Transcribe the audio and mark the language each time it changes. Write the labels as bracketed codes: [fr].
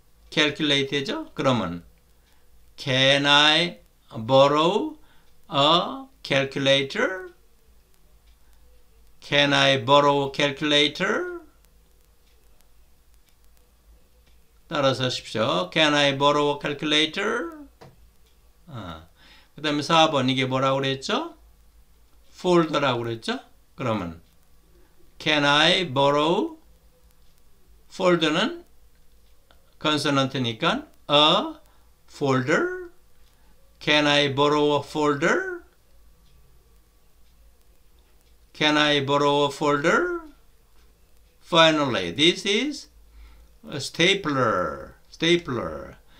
[en] Calculate죠? [ko] 그러면, [en] Can I borrow a calculator? Can I borrow a calculator? [ko] 따라서 하십시오. [en] Can I borrow a calculator? 아. [ko] 그 다음에 4번, 이게 뭐라고 그랬죠? folder라고 그랬죠? 그러면, [en] can I borrow? folder는 consonant니까, a folder. Can I borrow a folder? Can I borrow a folder? Finally, this is a stapler. Stapler.